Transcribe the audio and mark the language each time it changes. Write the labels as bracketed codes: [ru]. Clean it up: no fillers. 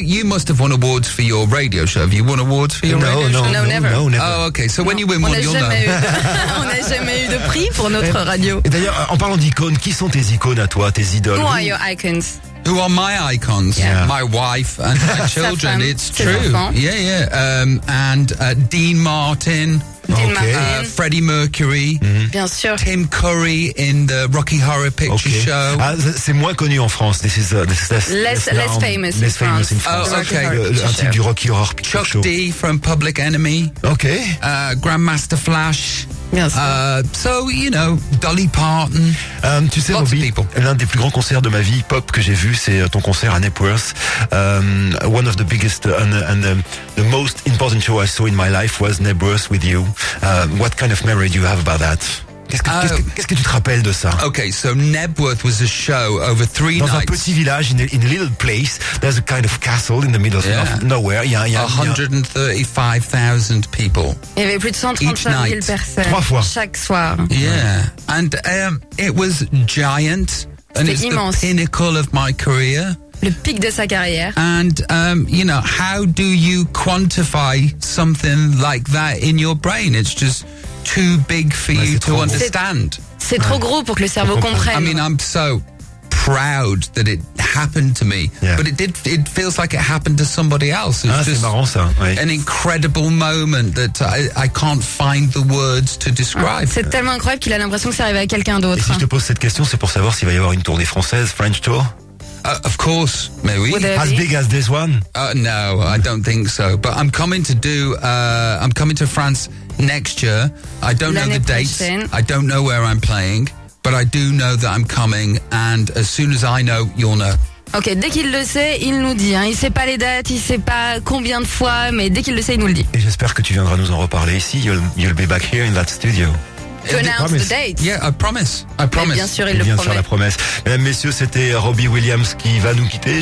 [en] You must have won awards for your radio show. Have you won awards for your radio show? No, never. Oh, okay. So when you win one, you'll know. [fr] On n'a jamais eu de prix pour notre radio. Et d'ailleurs, en parlant d'icônes, qui sont tes icônes à toi, tes idoles? [en] Who are your icons? who are my icons. Yeah. My wife and my children. It's true. [fr] Enfants. [en] Yeah, yeah. Dean Martin. Freddie Mercury, [fr] bien sûr. [en] Tim Curry in the Rocky Horror Picture Show. [fr] Ah, c'est moins connu en France. [en] This is less famous in France. [fr] Un type du Rocky Horror Picture [en] Chuck Show. Chuck D from Public Enemy. Okay. Grandmaster Flash. Dolly Parton. [fr] Tu sais, Bobby, l'un des plus grands concerts de ma vie pop que j'ai vu, c'est ton concert à Knebworth. [en] One of the biggest and the most important show I saw in my life was Knebworth with you. What kind of memory do you have about that? [fr] Qu'est-ce que tu te rappelles de ça? [en] Okay, so Knebworth was a show over three [fr] dans [en] nights. [fr] Dans un petit village, [en] in a little place, there's a kind of castle in the middle of nowhere. Yeah, 135,000 people. [fr] Il y avait plus de 135,000 personnes. Trois fois. Chaque soir. [en] Yeah, and it was giant. [fr] C'était immense. [en] And it was the pinnacle of my career. [fr] Le pic de sa carrière. [en] And, how do you quantify something like that in your brain? It's just too big for you to understand. [fr] C'est trop gros pour que le cerveau comprenne. [en] I mean, I'm so proud that it happened to me. Yeah. But it feels like it happened to somebody else. It's just [fr] marrant, ça. Oui. [en] An incredible moment that I can't find the words to describe. [fr] C'est tellement incroyable qu'il a l'impression que ça arrive à quelqu'un d'autre. Et si je te pose cette question, c'est pour savoir s'il va y avoir une tournée française, [en] French Tour? Of course, [fr] mais oui. [en] As big as this one? No, I don't think so. But I'm coming to I'm coming to France next year. I don't know the dates. I don't know where I'm playing, but I do know that I'm coming. And as soon as I know, you'll know. [fr] Ok, dès qu'il le sait, il nous dit. Hein. Il sait pas les dates, il sait pas combien de fois, mais dès qu'il le sait, il nous le dit. Et j'espère que tu viendras nous en reparler ici. [en] You'll be back here in that studio. To announce the date. Yeah, I promise. [fr] Bien sûr, il vient de faire la promesse. Mesdames, messieurs, c'était Robbie Williams qui va nous quitter.